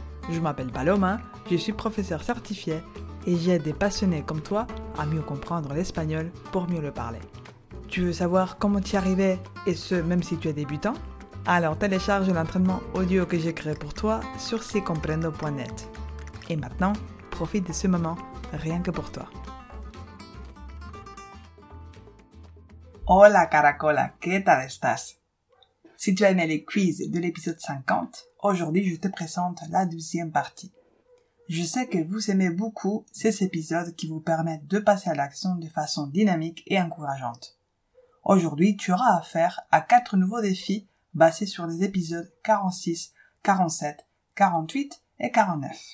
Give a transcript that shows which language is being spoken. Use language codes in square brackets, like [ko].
[fr] Je m'appelle Paloma, je suis professeur certifié et j'aide des passionnés comme toi à mieux comprendre l'espagnol pour mieux le parler. Tu veux savoir comment t'y arriver et ce même si tu es débutant? Alors télécharge l'entraînement audio que j'ai créé pour toi sur sicomprendo.net. Et maintenant, profite de ce moment rien que pour toi. [es] Hola Caracola, ¿qué tal estás? [fr] Si tu as aimé les quiz de l'épisode 50, aujourd'hui je te présente la deuxième partie. Je sais que vous aimez beaucoup ces épisodes qui vous permettent de passer à l'action de façon dynamique et encourageante. Aujourd'hui, tu auras affaire à 4 nouveaux défis basés sur les épisodes 46, 47, 48 et 49.